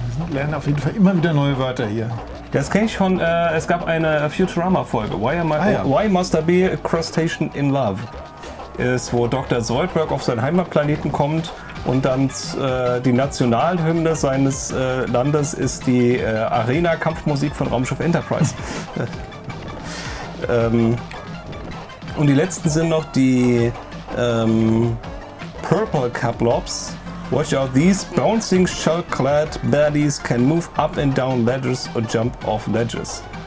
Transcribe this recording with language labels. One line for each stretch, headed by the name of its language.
German: Lernen auf jeden Fall immer wieder neue Wörter hier. Das kenne ich von, es gab eine Futurama-Folge.
English: Why must there be a crustacean in love?
German: Ist, wo Dr. Zoidberg auf seinen Heimatplaneten kommt und dann die Nationalhymne seines Landes ist die Arena-Kampfmusik von Raumschiff Enterprise. und die letzten sind noch die Purple Caplops.
English: Watch out, these bouncing shell-clad baddies can move up and down ledges or jump off ledges.